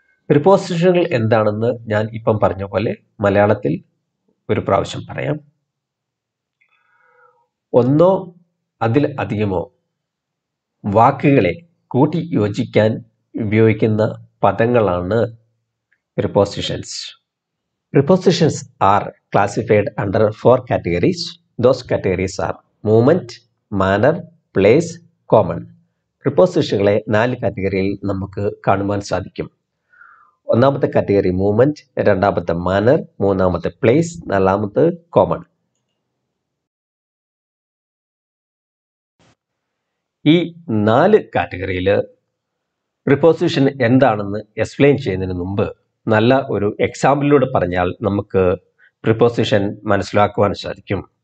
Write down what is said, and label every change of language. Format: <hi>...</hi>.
<ml>പ്രിപ്പോസിഷനുകൾ എന്താണെന്ന് ഞാൻ ഇപ്പം പറഞ്ഞ പോലെ മലയാളത്തിൽ ഒരു പ്രാവശ്യം പറയാം. ഒന്നോ അതിൽ അധികമോ വാക്കുകളെ കൂട്ടി യോജിക്കാൻ ഉപയോഗിക്കുന്ന പദങ്ങളാണ് prepositions.</ml> <en>Prepositions are classified under four categories. Those categories are moment, manner, place, common. Prepositions are four categories.</en> <ml>നമുക്ക് കാണുവാൻ സാധിക്കും. ഒന്നാമത്തെ കാറ്റഗറി മൂവ്മെന്റ്, രണ്ടാമത്തെ മാനർ, മൂന്നാമത്തെ പ്ലേസ്, നാലാമത്തെ കോമൺ. ഈ നാല് കാറ്റഗറിയിൽ പ്രിപ്പോസിഷൻ എന്താണെന്ന് എക്സ്പ്ലെയിൻ ചെയ്യുന്നതിന് മുമ്പ് നല്ല ഒരു എക്സാമ്പിളിലൂടെ പറഞ്ഞാൽ നമുക്ക് പ്രിപ്പോസിഷൻ മനസ്സിലാക്കുവാൻ സാധിക്കും.</ml>